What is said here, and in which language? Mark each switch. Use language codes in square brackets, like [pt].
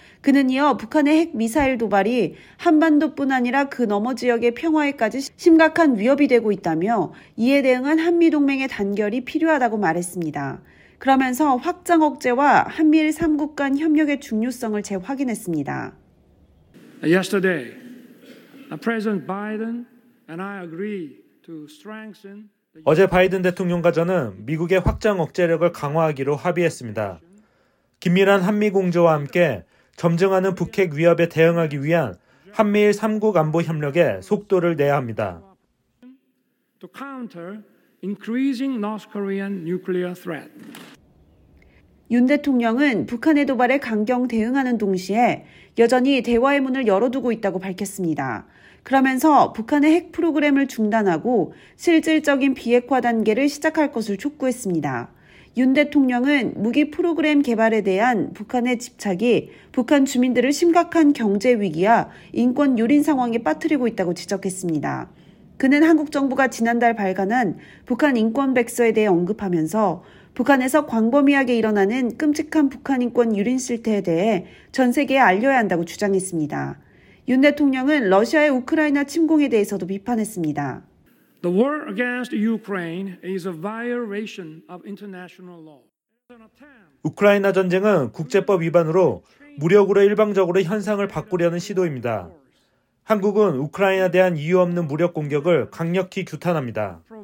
[ko] 그는 이어 북한의 핵미사일 도발이 한반도뿐 아니라 그 너머 지역의 평화에까지 심각한 위협이 되고 있다며 이에 대응한 한미동맹의 단결이 필요하다고 말했습니다. 그러면서 확장 억제와 한미일 3국 간 협력의 중요성을 재확인했습니다. [en] Yesterday, President Biden and I agree to strengthen [ko] 어제 바이든 대통령과 저는 미국의 확장 억제력을 강화하기로 합의했습니다. 긴밀한 한미 공조와 함께 점증하는 북핵 위협에 대응하기 위한 한미일 3국 안보 협력에 속도를 내야 합니다. [en] To counter increasing North Korean nuclear threat. [ko] 윤 대통령은 북한의 도발에 강경 대응하는 동시에 여전히 대화의 문을 열어두고 있다고 밝혔습니다. 그러면서 북한의 핵 프로그램을 중단하고 실질적인 비핵화 단계를 시작할 것을 촉구했습니다. 윤 대통령은 무기 프로그램 개발에 대한 북한의 집착이 북한 주민들을 심각한 경제 위기와 인권 유린 상황에 빠뜨리고 있다고 지적했습니다. 그는 한국 정부가 지난달 발간한 북한 인권 백서에 대해 언급하면서 북한에서 광범위하게 일어나는 끔찍한 북한 인권 유린 실태에 대해 전 세계에 알려야 한다고 주장했습니다. 윤 대통령은 러시아의 우크라이나 침공에 대해서도 비판했습니다. [en] The war against Ukraine is a violation of international law. [ko] 우크라이나 전쟁은 국제법 위반으로 무력으로 일방적으로 현상을 바꾸려는 시도입니다. 한국은 우크라이나에 대한 이유 없는 무력 공격을 강력히 규탄합니다.